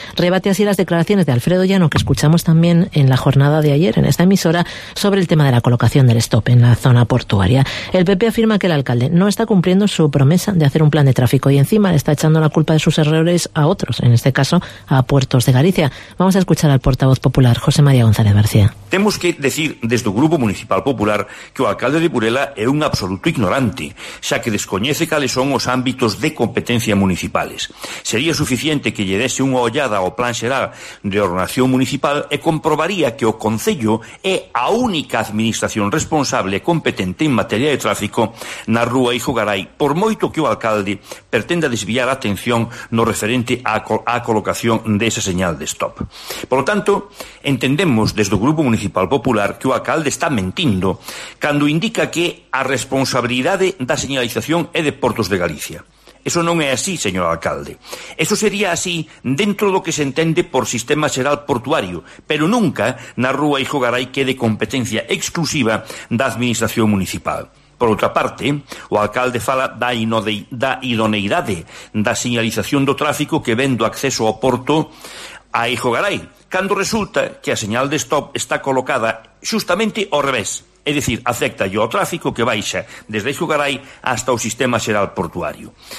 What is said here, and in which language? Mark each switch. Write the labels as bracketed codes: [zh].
[es] Rebate así las declaraciones de Alfredo Llano, que escuchamos también en la jornada de ayer en esta emisora, sobre el tema de la colocación del stop en la zona portuaria. El PP afirma que el alcalde no está cumpliendo su promesa de hacer un plan de tráfico y encima le está echando la culpa de sus errores a otros, en este caso a Puertos de Galicia. Vamos a escuchar al portavoz popular, José María González García. [gl] Temos que decir desde o Grupo Municipal Popular que o alcalde de Burela é un absoluto ignorante, xa que descoñece cales son os ámbitos de competencia municipales. Sería suficiente que lle dese unha ollada ao plan xeral de ordenación municipal e comprobaría que o Concello é a única administración responsable e competente en materia de tráfico na rúa Hijo Garay, por moito que o alcalde pretenda desviar a atención no referente á colocación desa señal de stop. [es] Por lo tanto, [gl] entendemos desde o Grupo Municipal Popular que o alcalde está mentindo cando indica que a responsabilidade da señalización é de Portos de Galicia. Eso non é así, señor alcalde. Eso sería así dentro do que se entende por sistema xeral portuario, pero nunca na rúa Hijo Garay quede competencia exclusiva da administración municipal. Por outra parte, o alcalde fala da idoneidade da señalización do tráfico que vén do acceso ao porto a Hijo Garay, cando resulta que a señal de stop está colocada xustamente ao revés, é dicir, afecta o tráfico que baixa desde Hijo Garay hasta o sistema xeral portuario.